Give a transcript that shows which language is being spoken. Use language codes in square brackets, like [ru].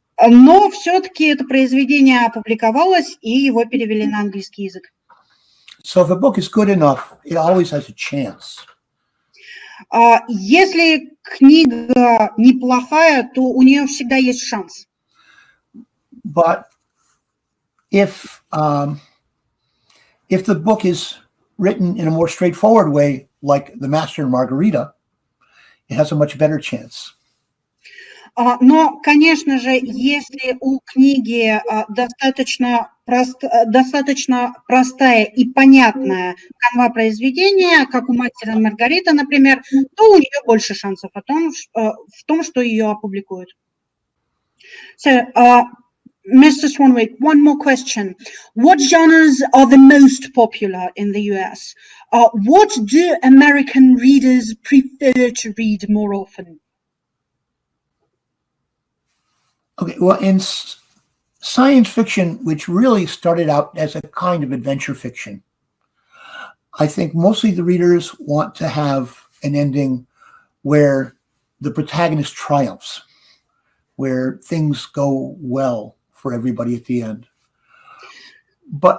[ru] Но все-таки это произведение опубликовалось, и его перевели на английский язык. [en] So if a book is good enough, it always has a chance. [ru] Если книга неплохая, то у нее всегда есть шанс. [en] But if the book is written in a more straightforward way, like The Master and Margarita, it has a much better chance. [ru] Но, конечно же, если у книги достаточно простая и понятная канва произведения, как у Мастера и Маргарита, например, то у нее больше шансов в том, что ее опубликуют. [en] So, Mr. Swanwick, one more question. What genres are the most popular in the US? What do American readers prefer to read more often? Okay, well, in science fiction, which really started out as a kind of adventure fiction, I think mostly the readers want to have an ending where the protagonist triumphs, where things go well for everybody at the end. But